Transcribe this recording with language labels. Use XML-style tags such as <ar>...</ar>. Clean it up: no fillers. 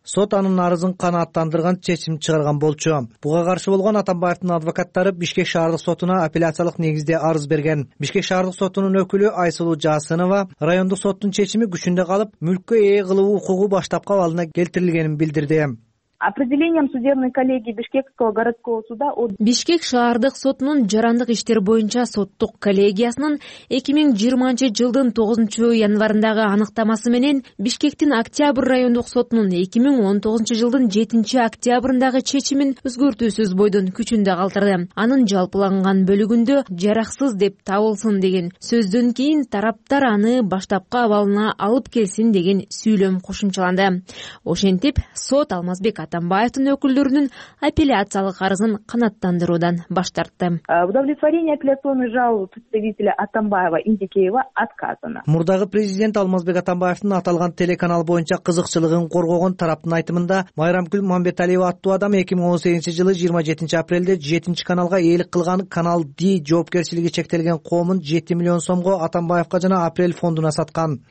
<ky>Сот анын арызын канааттандырган чечим чыгарган болчу. Буга каршы болгон Атамбаевдин адвокаттары Бишкек шаардык сотуна апелляциялык негизде арыз берген. Бишкек шаардык сотунун өкүлү Айсулуу Жасынова райондук соттун чечими күчүндө калып, мүлккө ээ кылуу укугу баштапкы абалына келтирилгенин билдирди.</ky> <ru>Определением судебной коллегии Бишкекского городского суда</ru> <ky>Бишкек шаардык сотунун жарандык иштер боюнча соттук коллегиясынын 2020 жылдын 9 январындагы аныктамасы менен Бишкектин Октябрь райондук сотунун 2019 жылдын 7 октябрындагы чечимин өзгөртүүсүз бойдон күчүндө калтырды. Анын жалпыланган бөлүгүндө жараксыз деп табылсын деген сөздөн кийин тараптар аны баштапкы абалына алып келсин деген сүйлөм кошумчаланды. Ошентип сот Алмазбек Атамбаевдин өкүлдөрүнүн апелляциялык арызын канааттандыруудан баш тартты.</ky> <ru>Удовлетворение апелляционной жалобы представителя Атамбаева Индикеева отказано.</ru> <ky>Мурдагы президент Алмазбек Атамбаевдин аталган телеканал боюнча кызыкчылыгын коргогон тараптын айтымында Майрамкүл Мамбеталиева аттуу адам 2018 жылы 27 апрелде 7 каналга ээлик кылган канал D жоопкерчилиги чектелген коомун 7 миллион сомго Атамбаевка жана Апрель фондуна саткан.</ky>